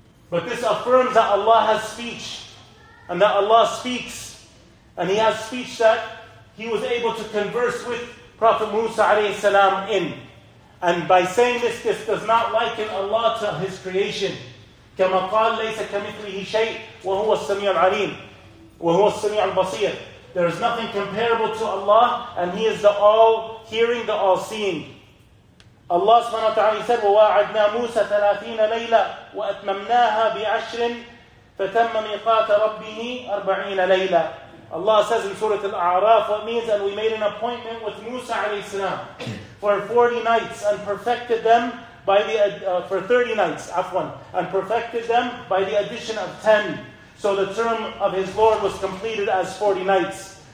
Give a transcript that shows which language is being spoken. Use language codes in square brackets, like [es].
[en] But this affirms that Allah has speech, and that Allah speaks, and He has speech that He was able to converse with Prophet Musa alayhi salam in. And by saying this, this does not liken Allah to His creation. [ar] كَمَا قَالْ لَيْسَ كَمِثْلِهِ شَيْءٍ وَهُوَ السَّمِيعُ الْعَلِيمُ وَهُوَ السَّمِيعُ الْبَصِيرُ. [en] There is nothing comparable to Allah, and He is the all-hearing, the all-seeing. Allah subhanahu wa ta'ala said, [ar] وَوَاعَدْنَا مُوسَى 30 لَيْلًا وَأَتْمَمْنَاهَا بِعَشْرٍ فَتَمَّ مِقَاتَ رَبِّهِ 40 لَيْلًا. [en] Allah says in Surah Al-A'raf, what means that we made an appointment with Musa alayhi salam for 40 nights and perfected them by the, for 30 nights, afwan, and perfected them by the addition of 10. So the term of His Lord was completed as 40 nights.